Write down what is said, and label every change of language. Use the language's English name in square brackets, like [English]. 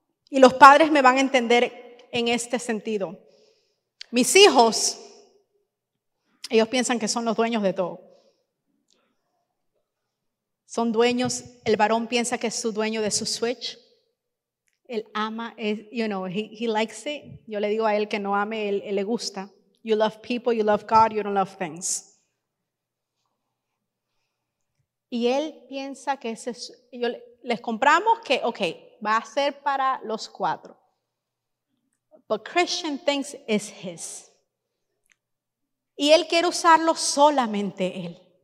[Spanish] Y los padres me van a entender en este sentido. Mis hijos, ellos piensan que son los dueños de todo. Son dueños, el varón piensa que es su dueño de su Switch. Él ama, [English] you know, he likes it. [Spanish] Yo le digo a él que no ame, él le gusta. [English] You love people, you love God, you don't love things. [Spanish] Y él piensa que ese es, yo les compramos que, ok, va a ser para los cuatro. [English] But Christian thinks it's his. [Spanish] Y él quiere usarlo solamente él.